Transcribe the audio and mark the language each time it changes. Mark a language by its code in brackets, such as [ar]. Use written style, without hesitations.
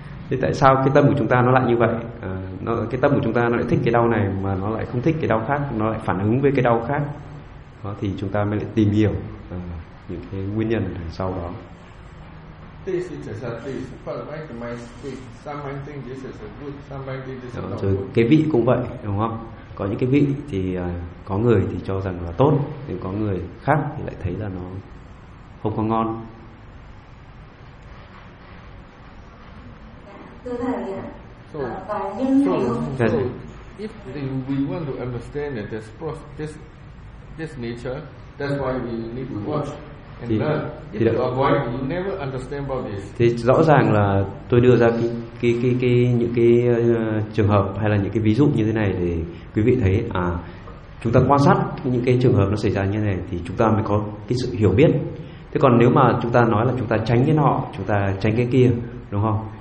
[vi] Thế tại sao cái tâm của chúng ta nó lại như vậy? Cái tâm của chúng ta nó lại thích cái đau này mà nó lại không thích cái đau khác, nó lại phản ứng với cái đau khác đó, thì chúng ta mới lại tìm hiểu những cái nguyên nhân đằng sau đó. [en] This is just a taste. But my speak, some might think this is a good, some might think this is not good. [vi] Cái vị cũng vậy, đúng không? Có những cái vị thì có người thì cho rằng là tốt, nhưng có người khác thì lại thấy là nó không có ngon. [en] So if we want to understand that this process, this nature, that's why we need to watch and learn. If you avoid, you never understand about this. [vi] Thì rõ ràng là tôi đưa ra cái những cái trường hợp hay là những cái ví dụ như thế này thì quý vị thấy à, chúng ta quan sát những cái trường hợp nó xảy ra như thế này thì chúng ta mới có cái sự hiểu biết. Thế còn nếu mà chúng ta nói là chúng ta tránh cái nọ, chúng ta tránh cái kia, đúng không?